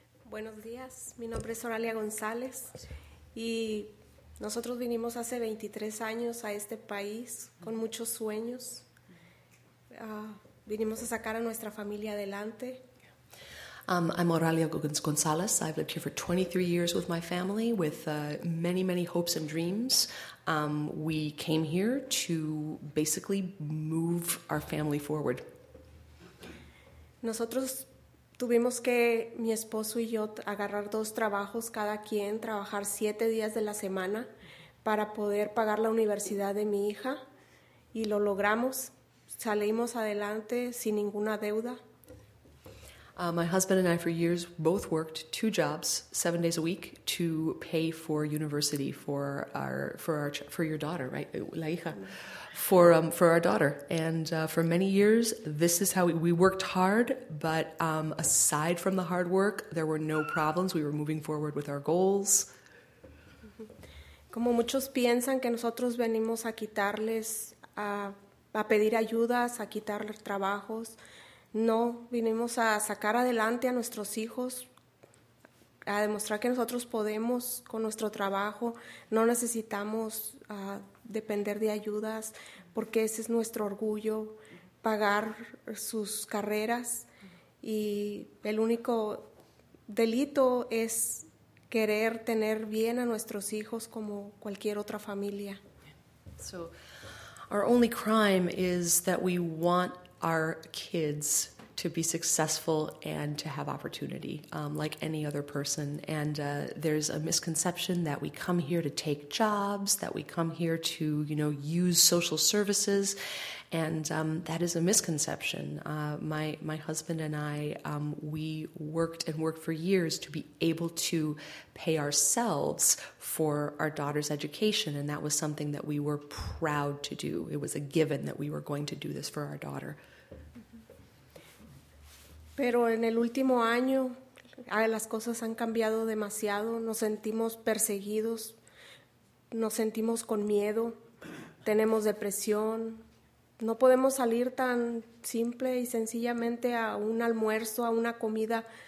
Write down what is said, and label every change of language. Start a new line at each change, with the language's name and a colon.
Spanish: Buenos días, mi nombre es Aurelia Gonzalez, y nosotros vinimos hace 23 años a este país con muchos sueños. Vinimos a sacar a nuestra familia adelante.
English: I'm Aurelia Gonzalez. I've lived here for 23 years with my family, with many, many hopes and dreams. We came here to basically move our family forward.
Spanish: Nosotros tuvimos que, mi esposo y yo, agarrar dos trabajos cada quien, trabajar 7 días de la semana para poder pagar la universidad de mi hija, y lo logramos. Salimos adelante sin ninguna deuda.
English: My husband and I, for years, both worked 2 jobs, 7 days a week, to pay for university for your daughter, right,
Spanish: la hija,
English: for our daughter. And for many years, this is how we worked hard. But aside from the hard work, there were no problems. We were moving forward with our goals.
Spanish: Como muchos piensan que nosotros venimos a quitarles, a pedir ayudas, a quitarles trabajos. No, vinimos a sacar adelante a nuestros hijos, a demostrar que nosotros podemos con nuestro trabajo. No necesitamos depender de ayudas, porque ese es nuestro orgullo, pagar sus carreras. Y el único delito es querer tener bien a nuestros hijos como cualquier otra familia.
English: So, our only crime is that we want our kids to be successful and to have opportunity, like any other person. And there's a misconception that we come here to take jobs, that we come here to, you know, use social services, and that is a misconception. My husband and I, we worked and worked for years to be able to pay ourselves for our daughter's education, and that was something that we were proud to do. It was a given that we were going to do this for our daughter.
Spanish: Pero en el último año, las cosas han cambiado demasiado. Nos sentimos perseguidos, nos sentimos con miedo, tenemos depresión. No podemos salir tan simple y sencillamente a un almuerzo, a una comida